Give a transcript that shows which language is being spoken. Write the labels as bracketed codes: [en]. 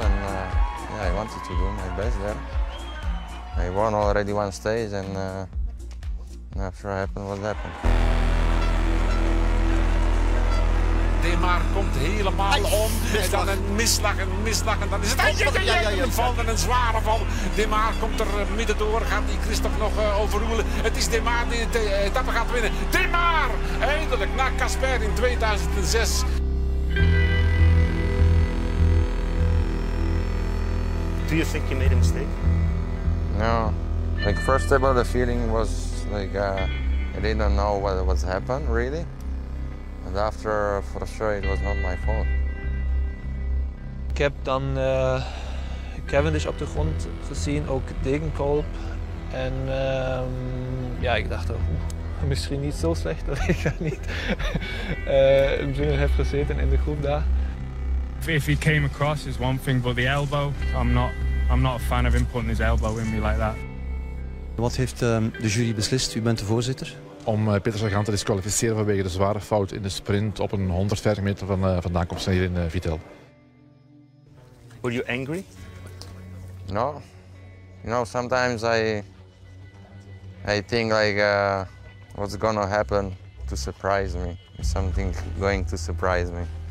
[en] En I wanted to do my best there. I won already one stage and after it happened, what happened? [nl] De Maar komt helemaal om. En dan een mislag. En dan is het een val en een zware val. De Maar komt er midden door. Gaat die Christophe nog overroelen? Het is De Maar die de etappe gaat winnen. De Maar! Eindelijk na Casper in 2006. [en] Do you think you made a mistake? No, like first of all, the feeling was like I didn't know what was happened really, and after for sure it was not my fault. [nl] Ik heb dan Cavendish op de grond gezien, ook Degenkolb, en ik dacht misschien niet zo slecht dat ik daar niet in binnen heb gezeten in de groep daar. [en] If he came across is one thing, but the elbow, I'm not a fan of him putting his elbow in me like that. [nl] Wat heeft de jury beslist? U bent de voorzitter. Om Peter Sagan te disqualificeren vanwege de zware fout in de sprint op een 150 meter van de aankomst hier in Vittel. [en] Were you angry? No. You know, sometimes I think like what's gonna happen to surprise me. Something going to surprise me.